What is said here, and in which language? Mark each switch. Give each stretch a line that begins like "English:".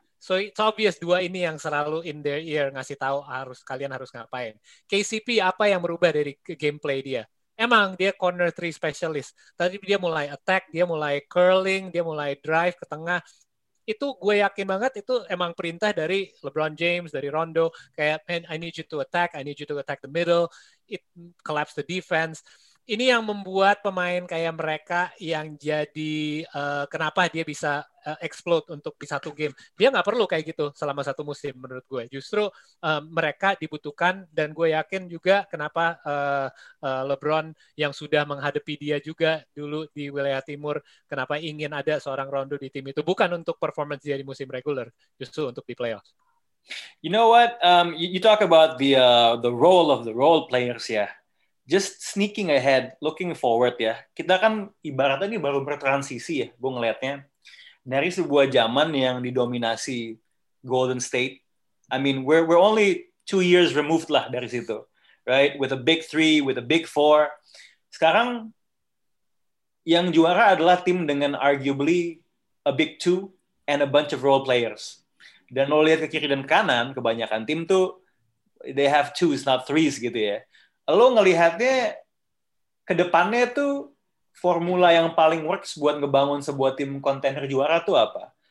English: So it's obvious
Indonesian: dua ini yang selalu
English: in their ear
Indonesian: ngasih tahu kalian harus ngapain. KCP apa yang berubah dari gameplay dia? Emang dia
English: corner three specialist.
Indonesian: Tadi dia mulai attack, dia mulai curling, dia mulai drive ke tengah. Itu gue yakin banget itu emang perintah dari LeBron James, dari Rondo.
English: Kayak, man, I need you to attack, I need you to attack the middle. It collapse the defense.
Indonesian: Ini yang membuat pemain kayak mereka yang jadi kenapa dia bisa explode untuk di satu game. Dia nggak perlu kayak gitu selama satu musim menurut gue. Justru mereka dibutuhkan, dan gue yakin juga kenapa LeBron yang sudah menghadapi dia juga dulu di wilayah timur, kenapa ingin ada seorang Rondo di tim itu. Bukan untuk performance dia di musim reguler, justru untuk di playoffs.
English: You know what? You talk about the role of the role players, ya. Yeah. Just sneaking ahead, looking forward ya.
Indonesian: Kita kan ibaratnya ini baru bertransisi ya, gue ngelihatnya dari sebuah zaman yang didominasi Golden State.
English: I mean, we're only 2 years removed
Indonesian: lah dari situ,
English: right? With a big three, with a big four.
Indonesian: Sekarang yang juara adalah tim dengan
English: arguably a big two and a bunch of role players.
Indonesian: Dan lo lihat ke kiri dan kanan, kebanyakan tim tuh
English: they have twos, not threes
Indonesian: gitu ya. Lo ngelihatnya ke depannya tuh formula yang paling works buat ngebangun sebuah tim kontender juara tuh apa?